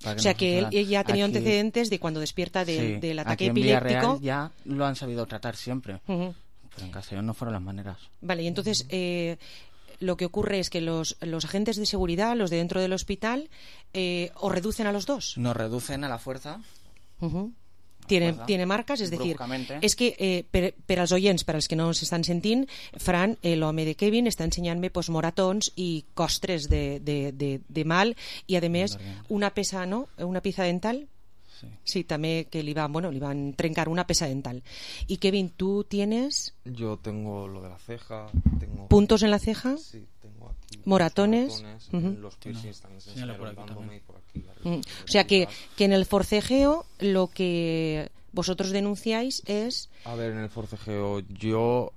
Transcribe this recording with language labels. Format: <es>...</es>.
<es>O sea, que él ya ha tenido antecedentes de cuando despierta del ataque epiléptico. Aquí en Villarreal ya lo han sabido tratar siempre, uh-huh, pero en Castellón no fueron las maneras. Vale, y entonces uh-huh, lo que ocurre es que los agentes de seguridad, los de dentro del hospital, ¿os reducen a los dos? Nos reducen a la fuerza. Uh-huh.</es> <ca>Tiene marcas, es decir, es que per als oients, per als que no s'estan sentint, Fran, l'home de Kevin, està ensenyant-me pues, moratons i costres de mal, i a més una peça, no?,</ca> <es>una pieza dental.</es> <ca>Sí, també que li van trencar una peça dental.</ca> <es>I Kevin, tu tienes? Yo tengo lo de la ceja, tengo puntos en la ceja? Sí, tengo aquí moratones, uh-huh, los piercings también, señalo por aquí también. O sea que en el forcejeo lo que vosotros denunciáis es... A ver, en el forcejeo yo...</es>